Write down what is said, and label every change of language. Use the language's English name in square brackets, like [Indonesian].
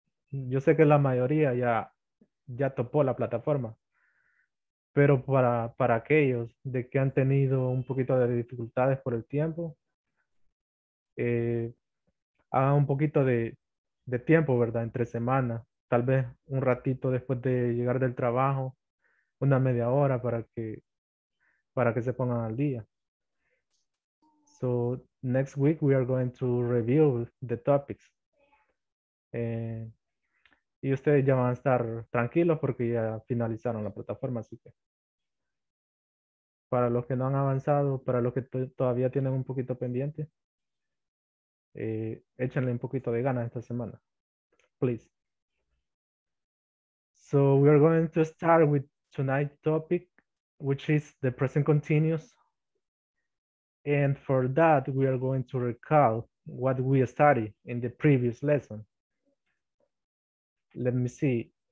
[Spanish] Yo sé que la mayoría ya topó la plataforma, pero para aquellos de que han tenido un poquito de dificultades por el tiempo, hagan un poquito de tiempo, ¿verdad? Entre semana, tal vez un ratito después de llegar del trabajo, una media hora para que se pongan al día. [English] So next week we are going to review the topics. [Spanish] Y ustedes ya van a estar tranquilos porque ya finalizaron la plataforma. Así que para los que no han avanzado, para los que todavía tienen un poquito pendiente, échenle un poquito de ganas esta semana. [English] Please. So we are going to start with tonight's topic, which is the present continuous. And for that, we are going to recall what we studied in the previous lesson. Let me see.